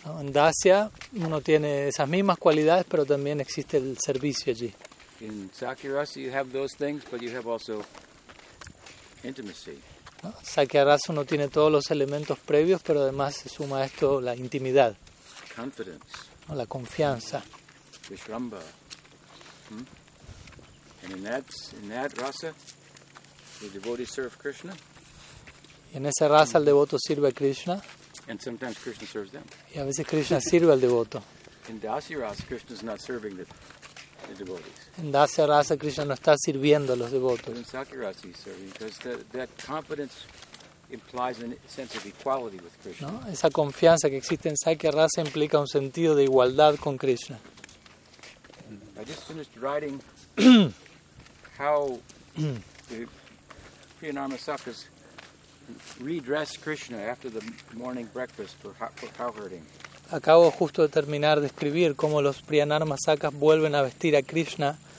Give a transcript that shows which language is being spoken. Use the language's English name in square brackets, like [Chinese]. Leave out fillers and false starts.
[Spanish] No, en Dasya uno tiene esas mismas cualidades, pero también existe el servicio allí. [English] In Sakya-rasa you have those things, but you have also intimacy. [Spanish] No, Sakya-rasa uno tiene todos los elementos previos, pero además se suma a esto la intimidad. [English] Confidence. [Spanish] No, la confianza. [English] Vishramba. And in that rasa, the devotee serve Krishna. [Spanish] Y en esa raza el devoto sirve a Krishna. [English] And sometimes Krishna serves them. [Spanish] Y a veces Krishna sirve al devoto. [English] In Dasya rasa, Krishna is not serving the devotees. [Spanish] En Dasya rasa, Krishna no está sirviendo a los devotos. [English] In Sakya rasa, he's serving because that confidence implies a sense of equality with Krishna. [Spanish] ¿No? Esa confianza que existe en Sakya rasa implica un sentido de igualdad con Krishna. [English] I just finished writing how the Priyanarmasakas redress Krishna after the morning breakfast for cow herding. [Spanish] Acabo justo de terminar de escribir cómo los Priyanarmasakas vuelven a vestir a Krishna